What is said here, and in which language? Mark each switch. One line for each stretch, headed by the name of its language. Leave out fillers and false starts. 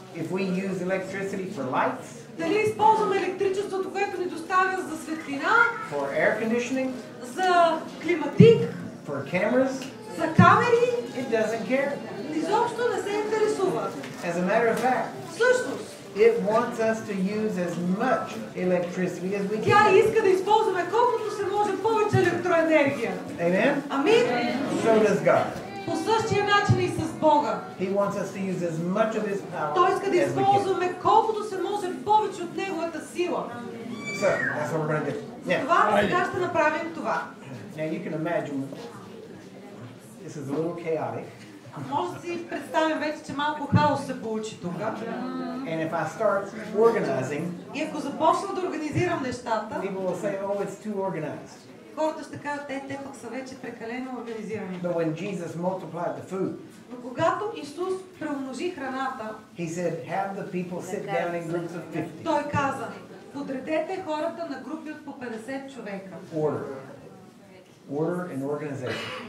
English: If we use electricity for lights.
Bulgarian: Дали използваме електричеството, което ни доставя за светлина.
English: For air conditioning.
Bulgarian: За климатик.
English: For cameras.
Bulgarian: За камери.
English: It doesn't care.
Bulgarian: Изобщо не се интересува.
English: As a matter of fact.
Bulgarian: Всъщност.
English: It wants us to use as much electricity as we can.
Bulgarian: Тя иска да използваме колкото се може повече електроенергия.
English: Amen?
Bulgarian: Амин?
English: So does God.
Bulgarian: По същия начин и с Бога.
English: He wants us to use as much of his power.
Bulgarian: Той иска да използваме колкото се може повече от неговата сила.
English: So, that's what we're going to do.
Bulgarian: Затова сега ще направим това.
English: Now you can imagine, this is a little chaotic.
Bulgarian: Може да си представим вече, че малко хаос се получи тук.
English: And if I start organizing,
Bulgarian: и ако започна да организирам нещата,
English: people will say, oh, it's too organized.
Bulgarian: Хората ще кажат, те пък са вече прекалено организирани.
English: But when Jesus multiplied the food,
Bulgarian: но когато Исус преумножи храната,
English: he said, have the people sit down in groups of 50.
Bulgarian: Той каза, подредете хората на групи от по 50 човека.
English: Order and organization.